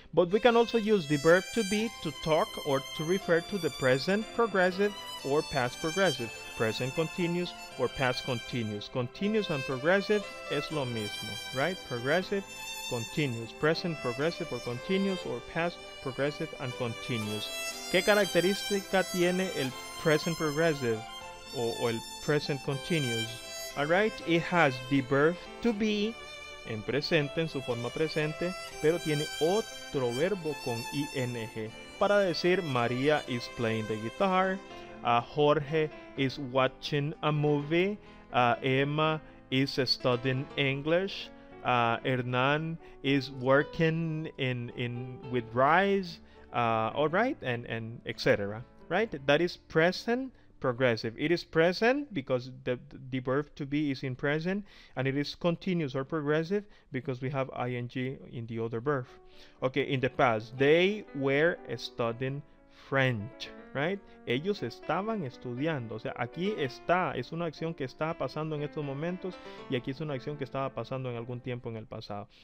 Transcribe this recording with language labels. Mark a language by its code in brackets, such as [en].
[en] But we can also use the verb to be to talk or to refer to the present progressive or past progressive. Present continuous or past continuous. Continuous and progressive [es] es lo mismo. [en] Right? Progressive, continuous. Present progressive or continuous or past progressive and continuous. [es] ¿Qué característica tiene el present progressive o el present continuous? [en] Alright, it has the verb to be [es] en presente, en su forma presente, pero tiene otro verbo con ing para decir [en] María is playing the guitar, Jorge is watching a movie, Emma is studying English, Hernán is working with rice. All right, and etc. Right? That is present progressive. It is present because the verb to be is in present, and it is continuous or progressive because we have ing in the other verb. Okay, in the past, they were studying French. Right? [es] Ellos estaban estudiando. O sea, aquí está, es una acción que está pasando en estos momentos, y aquí es una acción que estaba pasando en algún tiempo en el pasado.